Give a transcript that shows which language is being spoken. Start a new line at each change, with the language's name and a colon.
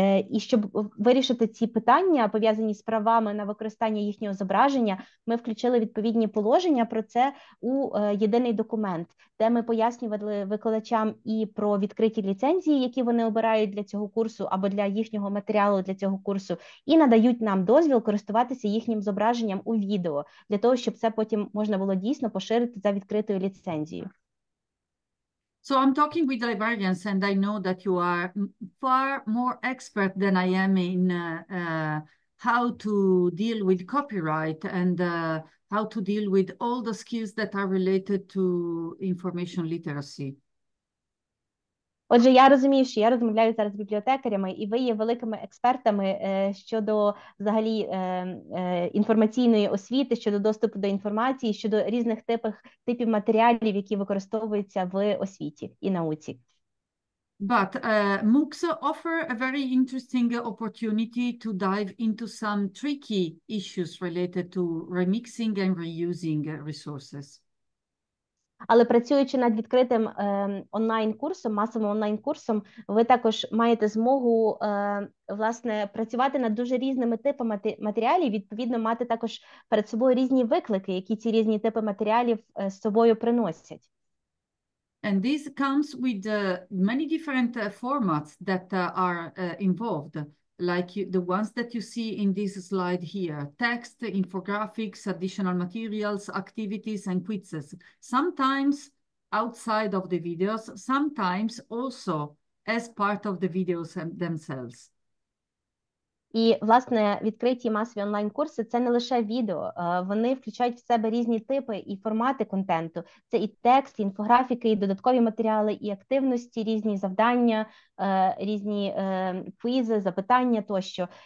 Ukrainian: І щоб вирішити ці питання, пов'язані з правами на використання їхнього зображення, ми включили відповідні положення про це у єдиний документ, де ми пояснювали викладачам і про відкриті ліцензії, які вони обирають для цього курсу або для їхнього матеріалу для цього курсу, і надають нам дозвіл користуватися їхнім зображенням у відео, для того, щоб це потім можна було дійсно поширити за відкритою ліцензією.
English: So I'm talking with librarians, and I know that you are far more expert than I am in how to deal with copyright and how to deal with all the skills that are related to information literacy.
Ukrainian: Отже, я розумію, що я розмовляю зараз з бібліотекарями, і ви є великими експертами щодо взагалі інформаційної освіти, щодо доступу до інформації, щодо різних типів матеріалів, які використовуються в освіті і науці.
English: But MOOCs offer a very interesting opportunity to dive into some tricky issues related to remixing and reusing resources.
Ukrainian: Але працюючи над відкритим онлайн-курсом, масовим онлайн-курсом, ви також маєте змогу власне працювати над дуже різними типами матеріалів, відповідно мати також перед собою різні виклики, які ці різні типи матеріалів з собою приносять.
English: And this comes with many different formats that are involved, like the ones that you see in this slide here: text, infographics, additional materials, activities, and quizzes. Sometimes outside of the videos, sometimes also as part of the videos themselves.
Ukrainian: І, власне, відкриті масові онлайн-курси – це не лише відео. Вони включають в себе різні типи і формати контенту. Це і текст, і інфографіки, і додаткові матеріали, і активності, різні завдання, різні квізи, запитання тощо.